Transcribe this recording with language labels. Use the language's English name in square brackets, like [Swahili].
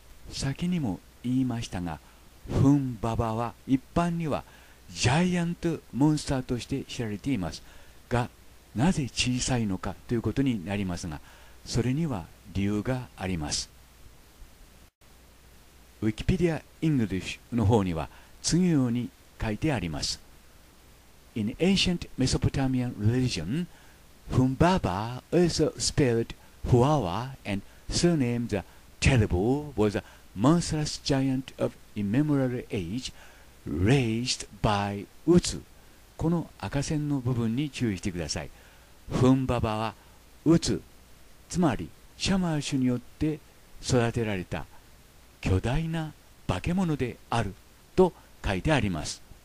[Japanese] 先にも言いましたが、フンババは一般にはジャイアントモンスターとして知られていますが、なぜ小さいのかということになりますが、それには理由があります。ウィキペディア・イングリッシュの方には次のように書いてあります。 [English] In ancient Mesopotamian religion, フンババ also spelled Huawa and surnamed the Terrible was aMonstrous giant of immemorial age, raised by Utsu. [Japanese] この赤線の部分に注意してください。フンババは Utsu、つまりシャマーシュによって育てられた巨大な化け物であると書いてあります。